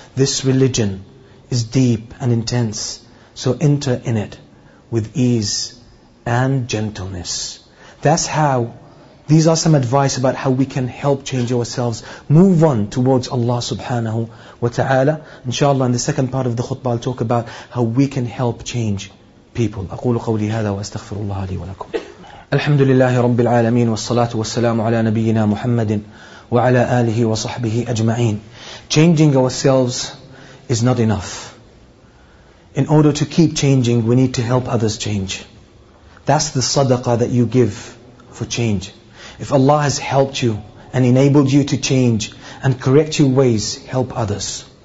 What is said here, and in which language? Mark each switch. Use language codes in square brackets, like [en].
[en] This religion is deep and intense, so enter in it with ease and gentleness. That's how, these are some advice about how we can help change ourselves, move on towards Allah subhanahu wa ta'ala. Inshallah, in the second part of the khutbah, I'll talk about how we can help change people. [ar] أقول قولي هذا وأستغفر الله لي ولكم. الحمد لله رب العالمين والصلاة والسلام على نبينا محمد وعلى آله وصحبه أجمعين. [en] Changing ourselves is not enough. In order to keep changing, we need to help others change. That's the sadaqah that you give for change. If Allah has helped you and enabled you to change and correct your ways, help others.